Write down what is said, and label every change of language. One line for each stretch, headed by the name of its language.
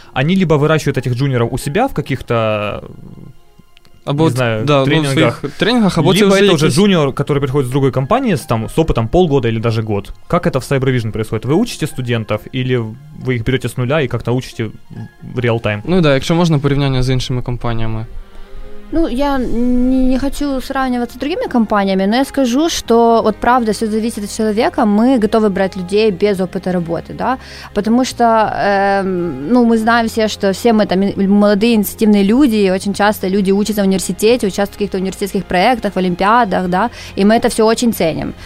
Russian: Они либо выращивают этих джуниоров у себя в каких-то...
Ukrainian: Або,
Russian: не знаю, да, тренингах. Ну, тренингах
Ukrainian: або
Russian: либо это уже джуниор, который приходит с другой компании там, с опытом полгода или даже год. Как это в CyberVision происходит? Вы учите студентов или вы их берете с нуля и как-то учите в реал-тайм?
Ukrainian: Ну да, якщо можна, порівняння з іншими компаніями.
Russian: Ну, я не хочу сравниваться с другими компаниями, но я скажу, что вот правда, все зависит от человека, мы готовы брать людей без опыта работы, да, потому что, ну, мы знаем все, что все мы там молодые инициативные люди, и очень часто люди учатся в университете, участвуют в каких-то университетских проектах, в олимпиадах, да, и мы это все очень ценим.